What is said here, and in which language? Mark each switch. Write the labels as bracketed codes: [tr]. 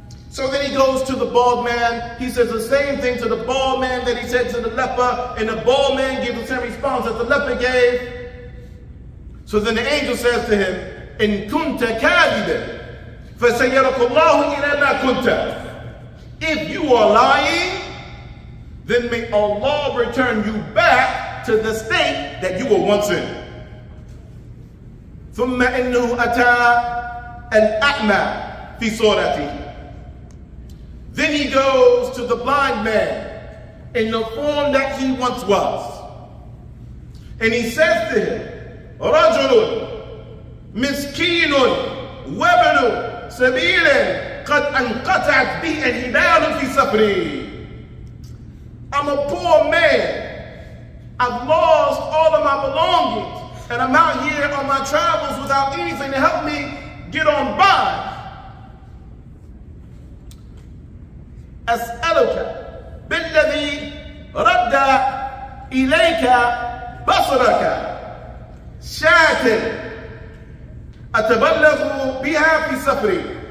[en] So then he goes to the bald man. He says the same thing to the bald man that he said to the leper, and the bald man gives the same response that the leper gave. So then the angel says to him, [ar] إِن كُنْتَ كَاذِبًا فَسَيَّرَكُ اللَّهُ إِلَى مَا كُنْتَ. [en] If you are lying, then may Allah return you back to the state that you were once in. [ar] ثُمَّ إِنُّهُ أَتَى الْأَعْمَى فِي صُورَتِهِ. [en] Then he goes to the blind man in the form that he once was. And he says to him, [ar] رَجُلٌ مِسْكِينٌ وَبْنُ سَبِيلٍ قَدْ أَنْقَطَعَتْ بِهِ الْهِبَالُ فِي سَفْرِهِ. [en] I'm a poor man. I've lost all of my belongings. And I'm out here on my travels without anything to help me get on by. [ar] أَسْأَلُكَ بِالَّذِي رَدَّ إِلَيْكَ بَصْرَكَ شَاتٍ أَتَبَلَّغُ بِهَا فِي سَفْرِي.